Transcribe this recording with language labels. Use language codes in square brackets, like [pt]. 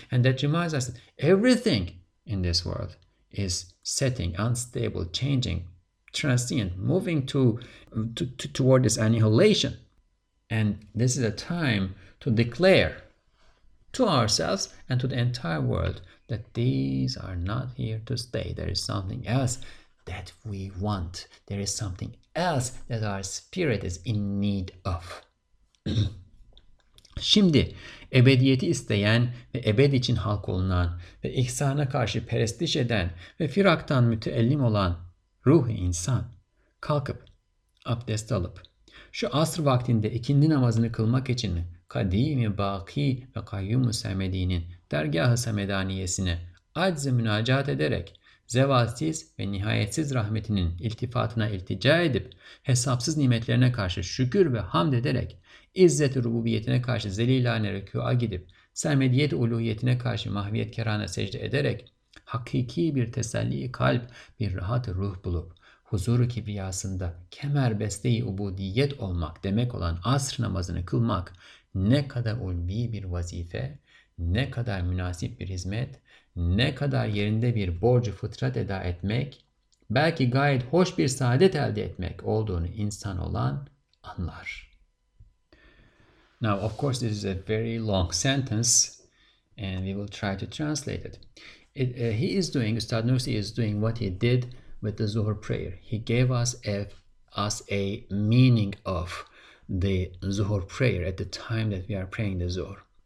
[en] And that reminds us that everything in this world is setting, unstable, changing, transient, moving toward this annihilation. And this is a time to declare, to ourselves and to the entire world that these are not here to stay. There is something else that we want. There is something else that our spirit is in need of. [tr] Şimdi ebediyeti isteyen ve ebed için halk olunan ve ihsana karşı perestiş eden ve firaktan müteellim olan ruh-i insan kalkıp abdest alıp şu asr vaktinde ikindi namazını kılmak için kadim-i baki ve kayyum-u semedinin dergah-ı semedaniyesine acz-ı münacat ederek zevalsiz ve nihayetsiz rahmetinin iltifatına iltica edip hesapsız nimetlerine karşı şükür ve hamd ederek İzzet-i rububiyetine karşı zelilane rükû'a gidip, sermediyet-i uluhiyetine karşı mahviyet kerana secde ederek, hakiki bir teselli-i kalp, bir rahat-ı ruh bulup, huzur-u kibriyasında kemer beste-i ubudiyet olmak demek olan asr namazını kılmak, ne kadar ulvi bir vazife, ne kadar münasip bir hizmet, ne kadar yerinde bir borcu fıtrat eda etmek, belki gayet hoş bir saadet elde etmek olduğunu insan olan anlar. [en] Now, of course, this is a very long sentence, and we will try to translate it. Ustad Nursi is doing what he did with the Zuhr prayer. He gave us a meaning of the Zuhr prayer at the time that we are praying the Zuhr.